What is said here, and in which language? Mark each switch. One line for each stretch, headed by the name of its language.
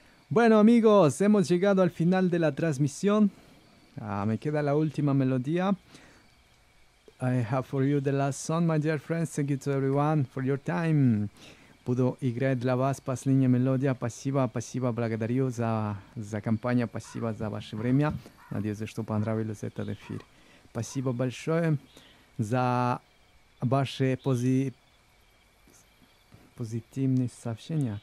Spanish: Bueno, amigos, hemos llegado al final de la transmisión. Me queda la última melodía.
English: I have for you the last song, my dear friends. Thank you to everyone for your time.
Russian: Буду играть для вас последняя мелодия. Спасибо, благодарю за компанию, спасибо за ваше время. Надеюсь, что понравилось этот эфир. Спасибо большое за ваши позитивные сообщения.